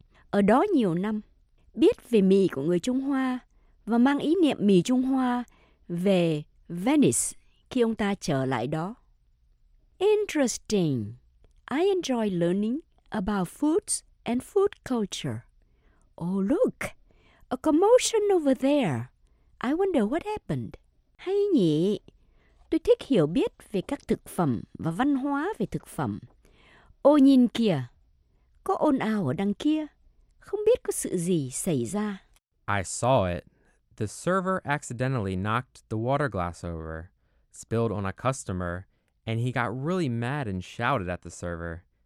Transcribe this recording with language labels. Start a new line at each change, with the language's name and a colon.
Vietnamese: Ở đó nhiều năm, biết về mì của người Trung Hoa và mang ý niệm mì Trung Hoa về Venice khi ông ta trở lại đó.
English: Interesting. I enjoy learning about foods and food culture. Oh, look. A commotion over there. I wonder what happened.
Vietnamese: Hay nhỉ? Tôi thích hiểu biết về các thực phẩm và văn hóa về thực phẩm. Ô nhìn kìa, có ồn ào ở đằng kia. Không biết có sự gì xảy ra.
English: I saw it. The server accidentally knocked the water glass over, spilled on a customer, and he got really mad and shouted at the server.